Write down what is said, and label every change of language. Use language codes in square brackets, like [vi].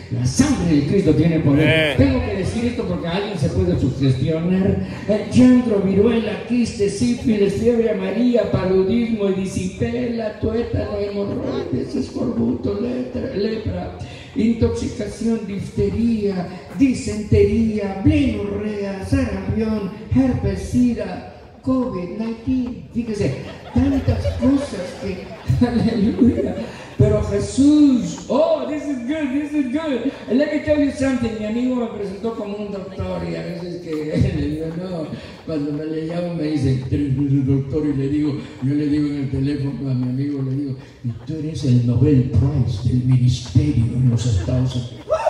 [es] La sangre de Cristo tiene poder. Tengo que decir esto porque alguien se puede sugestionar: chancro, viruela, quiste, sífilis, fiebre amarilla, paludismo, erisipela, tuétano, hemorroides, escorbuto, lepra, intoxicación, difteria, disentería, blenorrea, sarampión, herpes, sida, COVID-19. Fíjese, tantas cosas que, aleluya. [en] Pero Jesús, oh, this is good, this is good. Let me tell you something. [es] Mi amigo me presentó como un doctor y a veces que le digo, no. Cuando me le llamo me dice, tú eres el doctor, y le digo, yo le digo en el teléfono a mi amigo, le digo, y tú eres el Nobel Prize del ministerio en los Estados Unidos.